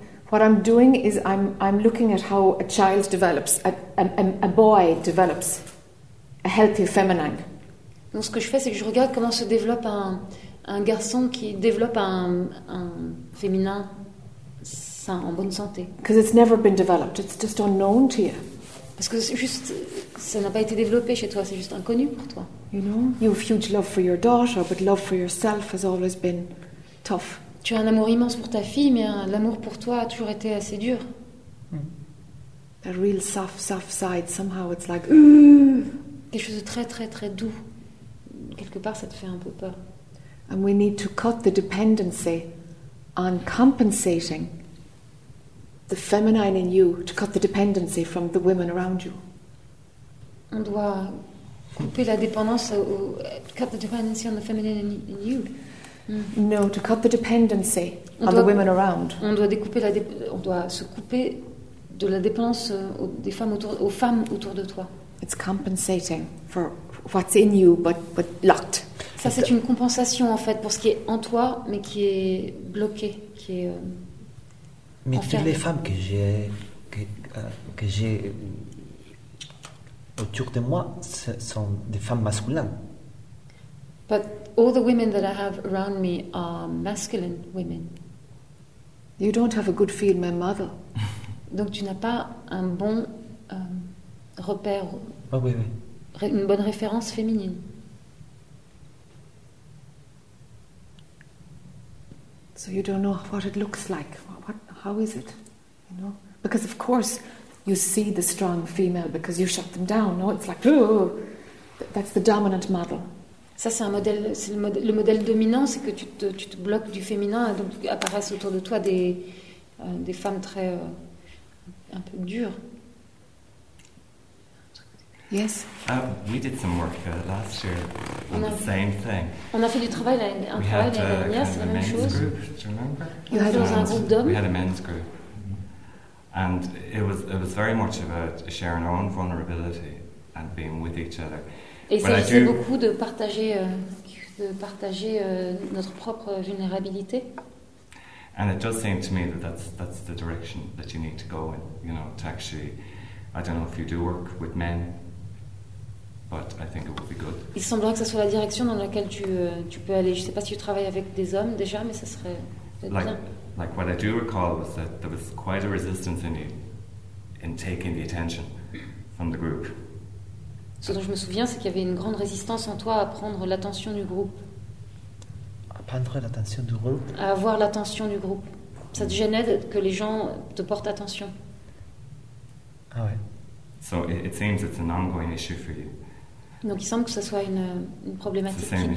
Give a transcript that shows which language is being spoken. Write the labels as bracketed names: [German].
[English] What I'm doing is I'm looking at how a child develops, a boy develops a healthy feminine. [French] Donc ce que je fais, c'est que je regarde comment se développe un garçon qui développe un féminin sain, en bonne santé. [English] Because it's never been developed, it's just unknown to you. [French] Parce que juste, ça n'a pas été développé chez toi, c'est juste inconnu pour toi. [English] You know, you have huge love for your daughter, but love for yourself has always been tough. [French] Tu as un amour immense pour ta fille, mais l'amour pour toi a toujours été assez dur. [English] A real soft side, somehow it's like [French] quelque chose de très très très doux. Quelque part, ça te fait un peu peur. [English] And we need to cut the dependency on compensating the feminine in you, to cut the dependency from the women around you. [French] On doit couper la dépendance ou [English] cut the dependency on the feminine in you. No, to cut the dependency on the women around. [French] On doit se couper de la dépendance aux femmes autour de toi. [English] It's compensating for what's in you, but locked. [French] Ça, c'est une compensation en fait pour ce qui est en toi, mais qui est bloqué, qui est. Mais toutes les femmes que j'ai autour de moi sont des femmes masculines. [English] But all the women that I have around me are masculine women. You don't have a good female mother. [French] Donc tu n'as pas un bon repère. Ah oh, oui. Une bonne référence féminine. [English] So you don't know what it looks like. What? How is it? You know? Because of course you see the strong female because you shut them down. No, it's like that's the dominant model. [French] Ça, c'est un modèle, c'est le modèle dominant, c'est que tu te bloques du féminin, donc apparaissent autour de toi des femmes très un peu dures. [English] Yes. We did some work last year on the same thing. [French] On a fait du travail l'année dernière, c'est la même chose. [English] We had a men's group, do you remember? You had a [French] group d'hommes. [English] We had a men's group, and it was very much about sharing our own vulnerability and being with each other. [French] Et c'est aussi beaucoup de partager notre propre vulnérabilité. [English] And it does seem to me that that's the direction that you need to go in, you know, to actually, I don't know if you do work with men, but I think it would be good. [French] Il semblerait que ce soit la direction dans laquelle tu peux aller. Je ne sais pas si tu travailles avec des hommes déjà, mais ça serait [English] like, [French] bien. [English] Like what I do recall was that there was quite a resistance in you in taking the attention from the group. [French] Ce dont je me souviens, c'est qu'il y avait une grande résistance en toi à prendre l'attention du groupe. À prendre l'attention du groupe. À avoir l'attention du groupe. Ça te gênait que les gens te portent attention. Ah ouais. [English] So it seems it's an ongoing issue for you. [French] Donc il semble que ça soit une problématique qui dure.